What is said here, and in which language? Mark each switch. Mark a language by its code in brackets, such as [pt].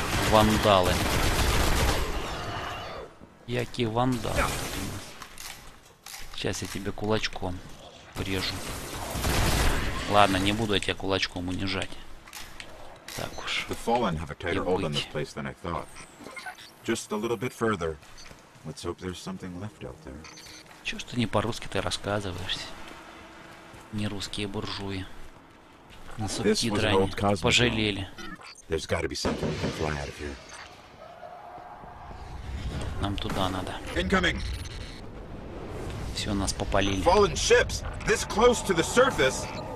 [ru] Вандалы. [uk] Який вандал. [ru] Сейчас я тебе кулачком врежу. Ладно, не буду я тебя кулачком унижать. Так уж. [en] The Fallen have a tighter hold on this place than I thought. Just a little bit further. Let's hope there's something left out there. [ru] Чё ж ты не по-русски ты рассказываешься? Не русские буржуи. На субтитры они пожалели. [en] There's gotta be something we can fly out of here. [ru] Нам туда надо. [en] Incoming! [ru] Всё, нас попалили. [en] Fallen ships! This close to the surface!